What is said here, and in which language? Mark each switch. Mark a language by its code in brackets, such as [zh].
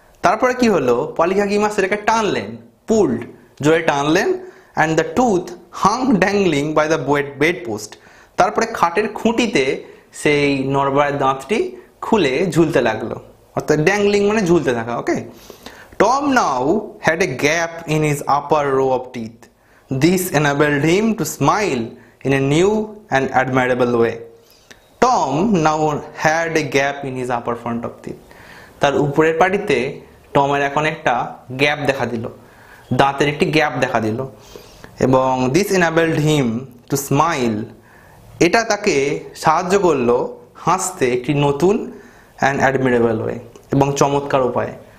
[bn] তারপরে কি হলো, পলি কাকিমা সেটাকে টানলেন, পুল্ড, জোরে টানলেন, [en] And the tooth hung dangling by the bed post. [bn] তারপরে খাটের খুঁটিতে সেই নড়বড়ের দাঁতটি খুলে ঝুলতে লাগলো, অর্থাৎ ড্যাংলিং মানে ঝুলতে থাকা। ওকে, [en] Tom now had a gap in his upper row of teeth. This enabled him to smile in a new and admirable way. Tom now had a gap in his upper front of teeth. [bn] তার উপরের পাটিতে টমের এখন একটা gap দেখা দিল, দাঁতের একটি gap দেখা দিল, এবং [en] this enabled him to smile, [bn] এটা তাকে সাহায্য করলো হাসতে একটি নতুন [en] and admirable way, [bn] এবং চমৎকার উপায়ে।